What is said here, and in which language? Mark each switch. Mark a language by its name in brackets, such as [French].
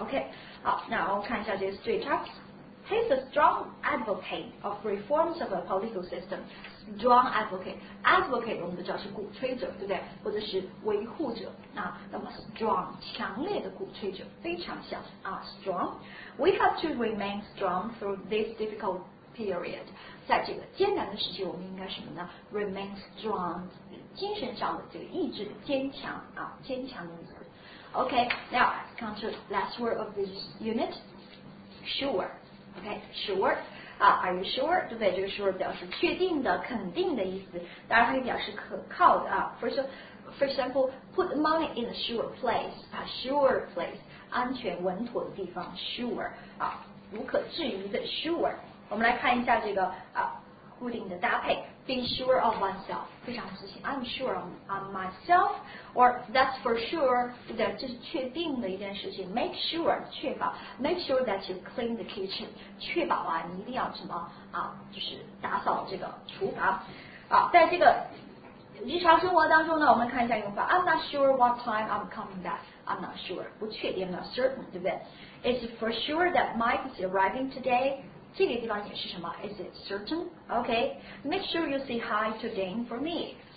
[English] OK， [Chinese] 好，那我们看一下这个 [English] straight up。He's a strong advocate of reforms of a political system. Strong advocate. [Chinese] Advocate 我们都知道是鼓吹者，对不对？或者是维护者。那么 strong 强烈的鼓吹者，非常像啊 strong. [English] We have to remain strong through this difficult period. [Chinese] 在这个艰难的时期，我们应该什么呢 ？ [English] Remain strong. [Chinese] 精神上的这个意志坚强啊，坚强的意思。 [English] OK, now come to last word of this unit. Sure. OK, sure, are you sure? [Chinese] 对不对？这个 sure 表示确定的、肯定的意思，当然它也表示可靠的啊。 [English] For example, put the money in a sure place. [Chinese] 啊 ，sure place， 安全、稳妥的地方 ，sure 啊，无可置疑的 sure。我们来看一下这个啊固定的搭配 ，being sure of oneself， 非常自信。 [English] I'm sure on myself, or that's for sure， 对不对？ [Chinese] 这是确定的一件事情。 [English] Make sure， 确保。Make sure that you clean the kitchen， [Chinese] 确保啊，你一定要什么啊，就是打扫这个厨房。啊，在这个日常生活当中呢，我们看一下用法。 [English] I'm not sure what time I'm coming back. I'm not sure， [Chinese] 不确定 [English] ，not certain， [Chinese] 对不对 [English] ？It's for sure that Mike is arriving today. [Chinese] 这个地方也是什么 [English] ？Is it certain? Okay. Make sure you say hi to Dane for me.